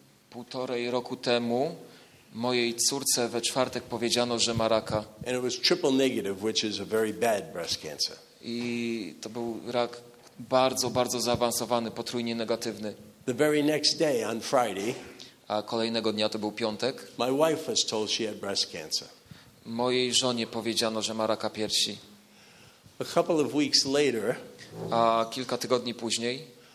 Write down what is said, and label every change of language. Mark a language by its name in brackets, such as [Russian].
[Polish] Półtorej roku temu mojej córce we czwartek powiedziano, że ma raka. [English] And it was triple negative, which is a very bad breast cancer. [Polish] I to był rak bardzo, bardzo zaawansowany, potrójnie negatywny. [English] The very next day, on Friday, [Polish] a kolejnego dnia, to był piątek, [English] my wife was told she had breast cancer. [Polish] Mojej żonie powiedziano, że ma raka piersi. [English] A couple of weeks later, [Polish] a kilka tygodni później,